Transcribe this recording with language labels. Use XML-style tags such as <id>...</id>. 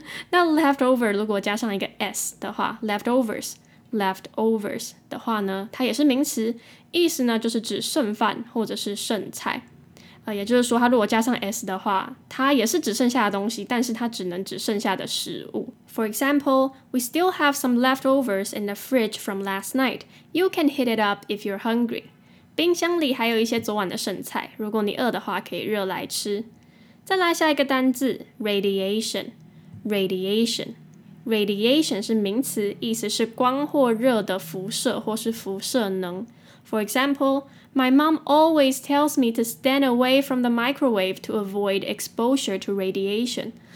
<zh>那 leftover 如果加上一个 s 的话 ，leftovers。 Leftovers 的话呢，它也是名词，意思呢就是指剩饭或者是剩菜，也就是说它如果加上 s 的话，它也是指剩下的东西，但是它只能指剩下的食物。</zh> <en>For example, we still have some leftovers in the fridge from last night. You can heat it up if you're hungry.</en> <zh>冰箱里还有一些昨晚的剩菜，如果你饿的话可以热来吃。再来下一个单字 ，radiation， radiation。 Radiation 是名词，意思是光或热的辐射或是辐射能。</zh> <en>For example, my mom always tells me to stand away from the microwave to avoid exposure to radiation.</en>